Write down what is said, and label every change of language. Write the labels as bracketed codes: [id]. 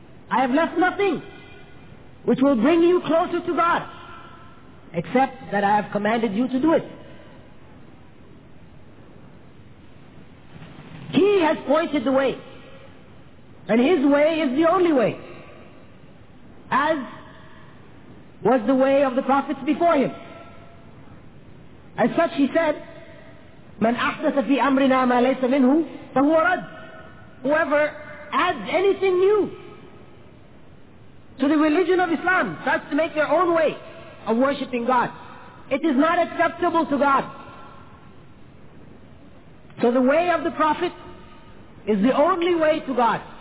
[en] I have left nothing which will bring you closer to God except that I have commanded you to do it. He has pointed the way, and his way is the only way, as was the way of the prophets before him. As such, he said, [ar] مَنْ أَحْدَثَ فِي أَمْرِنَا مَا لَيْسَ مِنْهُ فَهُوَ رَدْ. [en] Whoever adds anything new to the religion of Islam, starts to make their own way of worshipping God, it is not acceptable to God. So the way of the Prophet is the only way to God.